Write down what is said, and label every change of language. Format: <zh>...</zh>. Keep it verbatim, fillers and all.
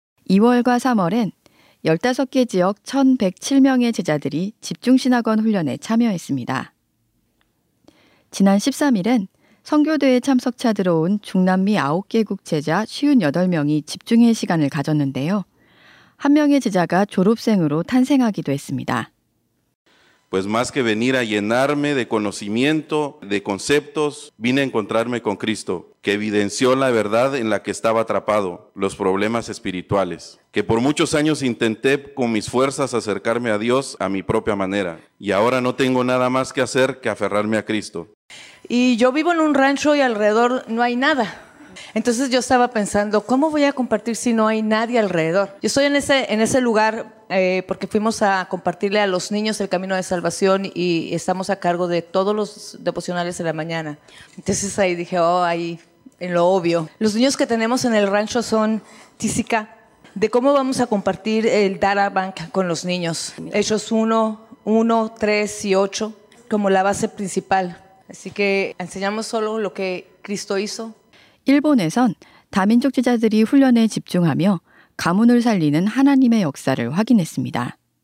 <ko>이월과 삼월엔 열다섯 개 지역 천백칠 명의 제자들이 집중신학원 훈련에 참여했습니다. 지난 십삼 일엔 선교대에 참석차 들어온 중남미 아홉 개국 제자 오십팔 명이 집중회 시간을 가졌는데요. 한 명의 제자가 졸업생으로 탄생하기도 했습니다.</ko> <es>Pues más que venir a llenarme de conocimiento, de conceptos, vine a encontrarme con Cristo, que evidenció la verdad en la que estaba atrapado, los problemas espirituales, que por muchos años intenté con mis fuerzas acercarme a Dios a mi propia manera, y ahora no tengo nada más que hacer que aferrarme a Cristo. Y yo vivo en un rancho y alrededor no hay nada. Entonces yo estaba pensando, ¿cómo voy a compartir si no hay nadie alrededor? Yo estoy en ese, en ese lugar eh, porque fuimos a compartirle a los niños el camino de salvación y estamos a cargo de todos los devocionales de la mañana. Entonces ahí dije, oh, ahí en lo obvio. Los niños que tenemos en el rancho son tísica, de cómo vamos a compartir el Darabank con los niños. Hechos uno, uno, tres y ocho como la base principal. Así que enseñamos solo lo que Cristo hizo.</es> <ko>일본에선 다민족 제자들이 훈련에 집중하며 가문을 살리는 하나님의 역사를 확인했습니다.</ko>